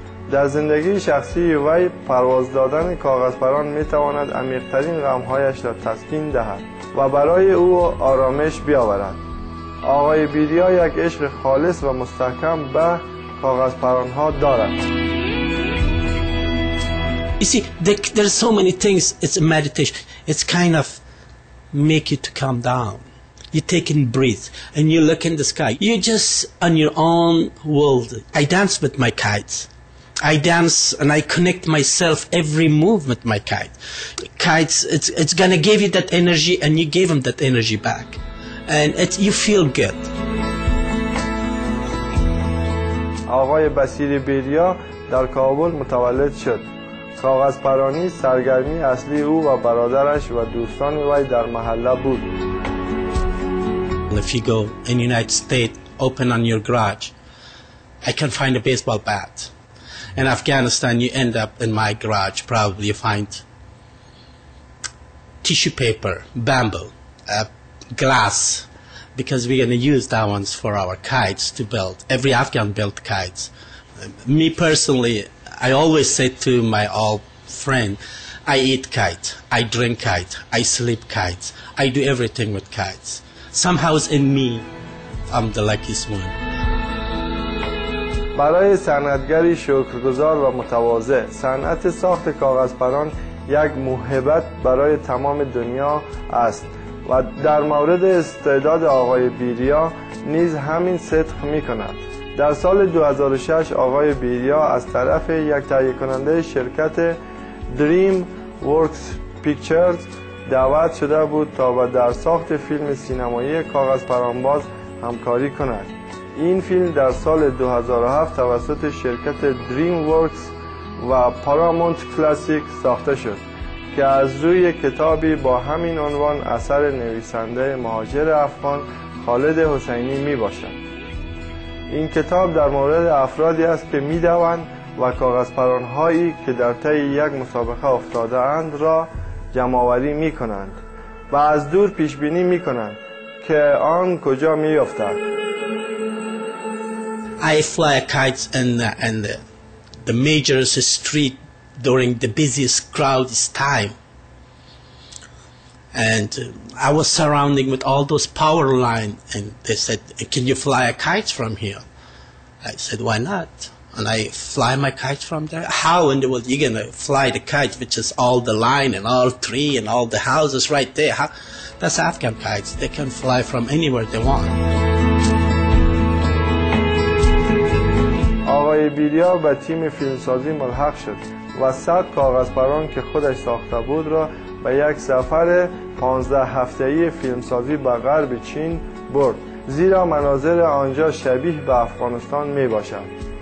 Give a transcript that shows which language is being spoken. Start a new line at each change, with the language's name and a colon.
Persian: در زندگی شخصی وی پرواز دادن کاغذپران میتواند عمیق‌ترین غمهایش را تسکین دهد و برای او آرامش بیاورد. آقای بیریا یک عشق خالص و مستحکم به کاغذپران ها دارد.
English: You see, there are so many things. It's a meditation. It's kind of make you to calm down. You take in breath and you look in the sky. You're just on your own world. I dance with my kites. I dance and I connect myself every move with my kite. Kites, it's going to give you that energy and you give them that energy back. And you feel good.
Persian: آقای بصیر بیریا در کابل متولد شد. کاغذپرانی سرگرمی اصلی او و برادرش و دوستان وی در محله بود.
English: If you go in the United States, open on your garage, I can find a baseball bat. In Afghanistan, you end up in my garage. Probably you find tissue paper, bamboo, glass, because we're going to use that ones for our kites to build. Every Afghan built kites. Me personally, I always say to my old friend, I eat kite, I drink kite, I sleep kites, I do everything with kites. Somehow in me, I'm the luckiest one.
Persian: برای صنعتگری شکرگزار و متواضع، صنعت ساخت کاغذپران یک موهبت برای تمام دنیا است. و در مورد استعداد آقای بیریا نیز همین صدق می کند. در سال 2006 آقای بیریا از طرف یک تهیه کننده شرکت Dream Works Pictures دعوت شده بود تا و در ساخت فیلم سینمایی کاغذپرانباز همکاری کند. این فیلم در سال 2007 توسط شرکت Dream Works و Paramount Classic ساخته شد که از روی کتابی با همین عنوان اثر نویسنده مهاجر افغان خالد حسینی می باشد. این کتاب در مورد افرادی است که می دوند و کاغذپرانهایی که در طی یک مسابقه افتاده اند را جمع‌آوری می کنند و از دور پیشبینی می کنند که آن کجا می افتد.
English: I fly kites in the major street during the busiest crowd's time, and I was surrounding with all those power line, and they said, can you fly a kite from here? I said, why not? And I fly my kite from there. How in the world you gonna fly the kite, which is all the line and all tree and all the houses right there? How? That's Afghan kites. They can fly from anywhere they want.
Persian: آقای بیریا به تیم فیلمسازی ملحق شد و 100 کاغذپران که خودش ساخته بود را به یک سفر 15 هفته‌ای فیلمسازی به غرب چین برد، زیرا مناظر آنجا شبیه به افغانستان می باشد.